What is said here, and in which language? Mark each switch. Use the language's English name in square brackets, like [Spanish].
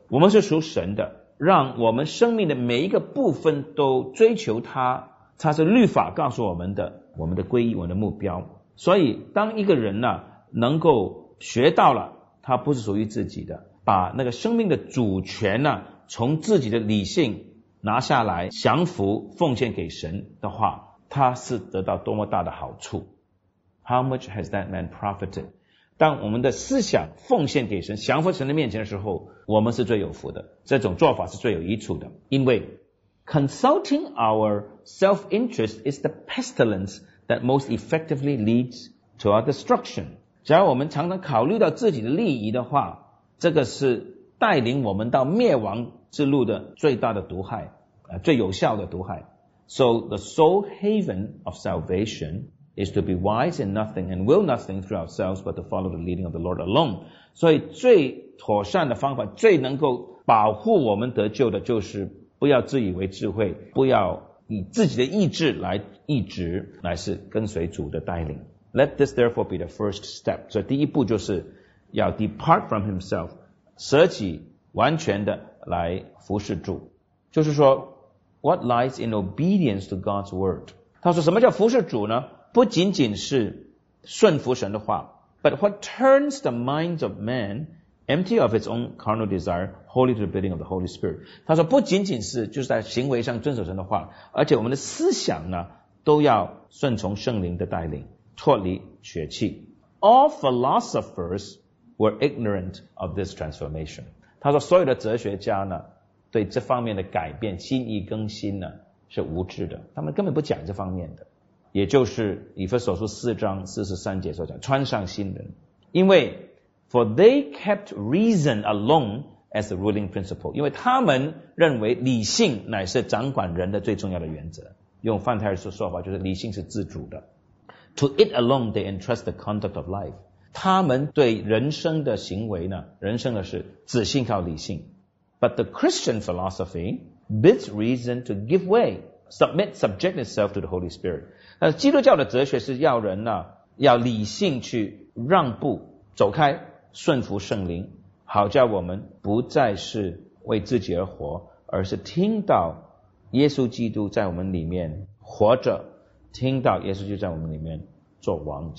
[Chinese] 我们是属神的，让我们生命的每一个部分都追求他，他是律法告诉我们的，我们的皈依，我们的目标。所以当一个人呢能够学到了他不是属于自己的，把那个生命的主权呢从自己的理性拿下来降服奉献给神的话，他是得到多么大的好处。 [English] How much has that man profited? [Chinese] 当我们的思想奉献给神，降服神的面前的时候，我们是最有福的，这种做法是最有益处的。因为 [English] Consulting our self-interest is the pestilence that most effectively leads to our destruction. [Chinese] 只要我们常常考虑到自己的利益的话，这个是带领我们到灭亡之路的最大的毒害，最有效的毒害。 [English] So the sole haven of salvationis to be wise in nothing and will nothing through ourselves but to follow the leading of the Lord alone. [Chinese] 所以最妥善的方法，最能够保护我们得救的，就是不要自以为智慧，不要以自己的意志来意志，乃是跟随主的带领。 [English] Let this therefore be the first step. [Chinese] 所以第一步就是要 [English] depart from himself, [Chinese] 舍己完全的来服侍主。就是说 [English] What lies in obedience to God's word? [Chinese] 他说什么叫服侍主呢？不仅仅是顺服神的话， [English] But what turns the minds of man empty of its own carnal desire, wholly to the bidding of the Holy Spirit. [Chinese] 他说不仅仅是就是在行为上遵守神的话，而且我们的思想呢都要顺从圣灵的带领，脱离血气。 [English] All philosophers were ignorant of this transformation. [Chinese] 他说所有的哲学家呢对这方面的改变、心意更新呢是无知的，他们根本不讲这方面的。也就是以弗所书四章四十三节所讲，穿上新人。因为 [English] For they kept reason alone as the ruling principle. [Chinese] 因为他们认为理性乃是掌管人的最重要的原则。用梵太尔的说法，就是理性是自主的。 [English] To it alone, they entrust the conduct of life. [Chinese] 他们对人生的行为呢，人生的事，只信靠理性。 [English] But the Christian philosophy bids reason to give way, submit, subject itself to the Holy Spirit. [Chinese] 基督教的哲学是要人呢，要理性去让步，走开，顺服圣灵，好叫我们不再是为自己而活，而是听到耶稣基督在我们里面活着，听到耶稣就在我们里面做王。